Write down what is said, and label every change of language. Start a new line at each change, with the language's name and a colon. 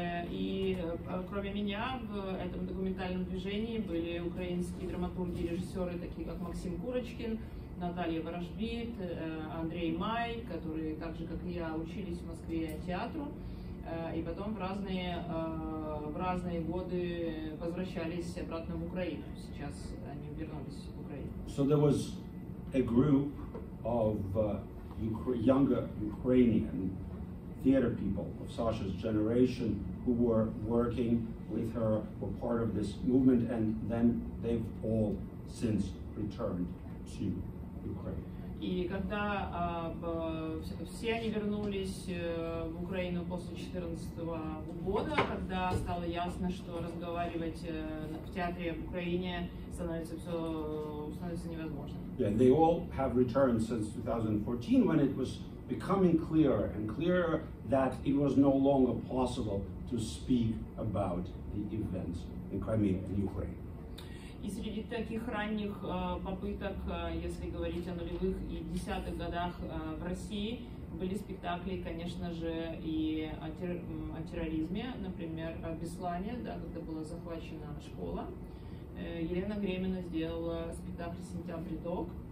Russian: И кроме меня в этом документальном движении были украинские драматурги и режиссеры, такие как Максим Курочкин, Наталья Ворожбит, Андрей Май, которые так же, как и я, учились в Москве театру, и потом в разные годы возвращались обратно в Украину. Сейчас они вернулись в Украину.
English: So there was a group of younger Ukrainian theater people of Sasha's generation who were working with her, were part of this movement, and then they've all since returned to Ukraine.
Russian: И когда все они вернулись в Украину после 14 года, когда стало ясно, что разговаривать в театре в Украине становится невозможно.
English: Yeah, they all have returned since 2014, when it was becoming clearer and clearer that it was no longer possible to speak about the events in Crimea and Ukraine.
Russian: И среди таких ранних попыток, если говорить о нулевых и десятых годах в России, были спектакли, конечно же, и о терроризме, например, в Беслане, да, когда была захвачена школа. Елена Гремина сделала спектакль «Сентябрь Дог».